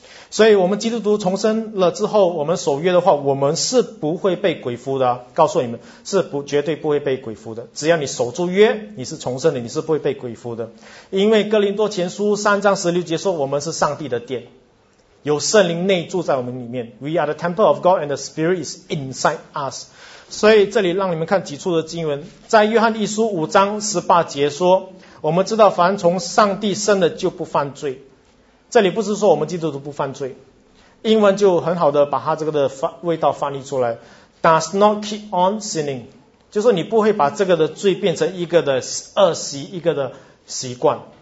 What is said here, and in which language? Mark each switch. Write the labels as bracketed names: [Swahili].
[Chinese] 所以我们基督徒重生了之后，我们守约的话，我们是不会被鬼附的，告诉你们，是不绝对不会被鬼附的。只要你守住约，你是重生的，你是不会被鬼附的。因为哥林多前书三章十六节说，我们是上帝的殿，有圣灵内住在我们里面。 [English] We are the temple of God and the spirit is inside us。 [Chinese] 所以这里让你们看几处的经文，在约翰一书五章十八节说，我们知道凡从上帝生的就不犯罪。这里不是说我们基督徒不犯罪，英文就很好的把它这个的味道翻译出来， [English] does not keep on sinning， [Chinese] 就是你不会把这个的罪变成一个的恶习，一个的习惯。